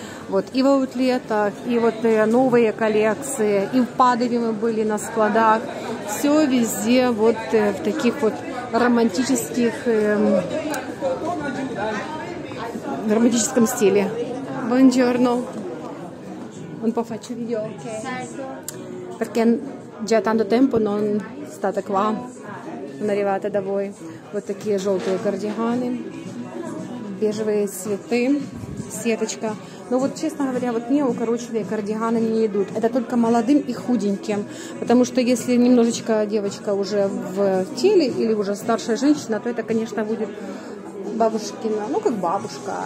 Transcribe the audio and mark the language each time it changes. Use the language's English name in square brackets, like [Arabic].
[Russian] Вот, и в аутлетах, и вот новые коллекции, и в Падове мы были на складах. Все везде вот в таких вот романтических, в романтическом стиле. [Italian] Buongiorno. Un po' faccio video. Perché già tanto tempo non state qua. Non arrivate da voi. [Russian] Вот такие желтые кардиганы. Бежевые цветы. сеточка. Но вот, честно говоря, вот мне укороченные кардиганы не идут. Это только молодым и худеньким. Потому что если немножечко девочка уже в теле или уже старшая женщина, то это, конечно, будет бабушкина, ну, как бабушка.